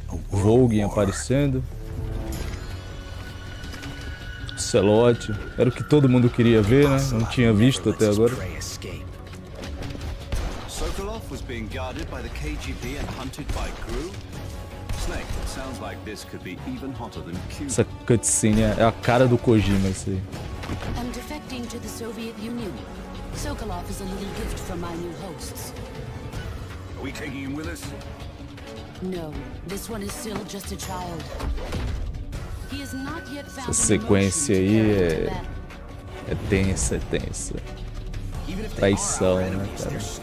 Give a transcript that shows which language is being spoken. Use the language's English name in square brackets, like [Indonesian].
[Portuguese] Vogue aparecendo. Celote. Era o que todo mundo queria ver, né? Não tinha visto até agora. [English] Sokolov was being guarded by the KGB and hunted by Gru. Snake, it sounds like this could be even hotter than Q. [Portuguese] Essa cutscene é a cara do Kojima, isso aí. [English] I'm defecting to the Soviet Union. Sokolov is a little gift from my new hosts. Are we taking him with us? No, this one is still just a child. He has not yet found. [Portuguese] Essa sequência aí é tensa, é tensa. Traição, né, cara?